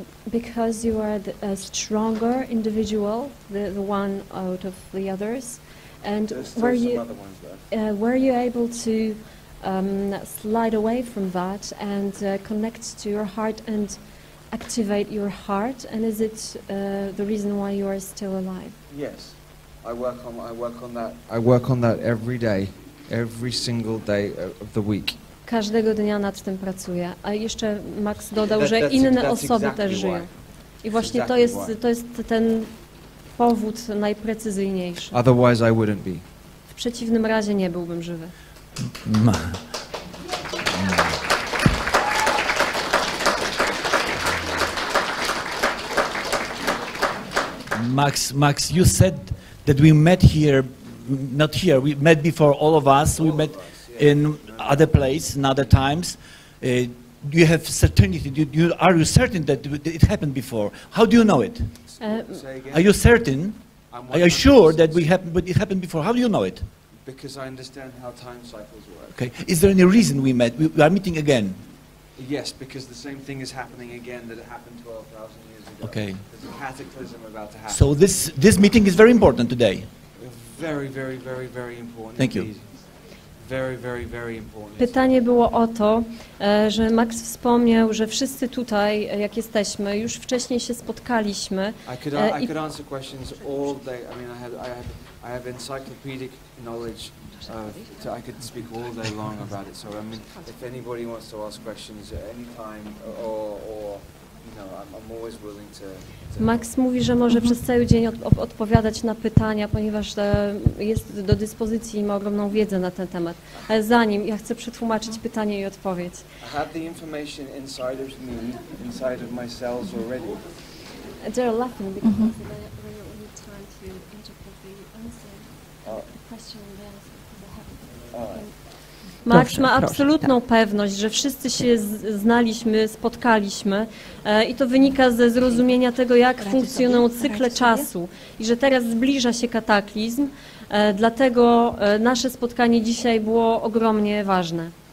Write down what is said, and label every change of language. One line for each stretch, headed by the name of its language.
English: Because you are the stronger individual, the one out of the others, and were you able to slide away from that and connect to your heart and activate your heart, and is it the reason why you are still alive? Yes, I work on that every day, every single day of the week.
Polish: Każdego dnia nad tym pracuję. A jeszcze Max dodał, że inne osoby też żyją. I właśnie to jest ten powód najprecyzyjniejszy.
English: Otherwise I wouldn't be.
Polish: W przeciwnym razie nie byłbym żywy.
English: Max, you said that we met here, not here, we met before all of us, we met in other place, in other times. Do you have certainty? Are you certain that it happened before? How do you know it? Are you certain? Are you sure that it happened before? How do you know it? Because I understand how time cycles work. Okay. Is there any reason we met? We are meeting again. Yes, because the same thing is happening again that it happened 12,000 years ago. Okay. There's a cataclysm about to happen. So this meeting is very important today. Very, very, very, very important. Thank you. Very, very, very important.
Polish: Pytanie było o to, że Max wspomniał, że wszyscy tutaj, jak jesteśmy, już wcześniej się spotkaliśmy.
English: I could answer questions all day. I mean, I have encyclopedic knowledge. I could speak all day long about it. So, I mean, if anybody wants to ask questions at any time, or I'm always willing to
Polish: Max mówi, że może przez cały dzień odpowiadać na pytania, ponieważ jest do dyspozycji i ma ogromną wiedzę na ten temat. Ale zanim, ja chcę przetłumaczyć pytanie i odpowiedź.
English: I have the information inside of me, inside of my cells already. They're laughing because they don't have any time to interpret the question and the answer.
Polish: Max ma absolutną pewność, że wszyscy się znaliśmy, spotkaliśmy i to wynika ze zrozumienia tego, jak funkcjonują cykle czasu i że teraz zbliża się kataklizm, dlatego nasze spotkanie dzisiaj było ogromnie ważne.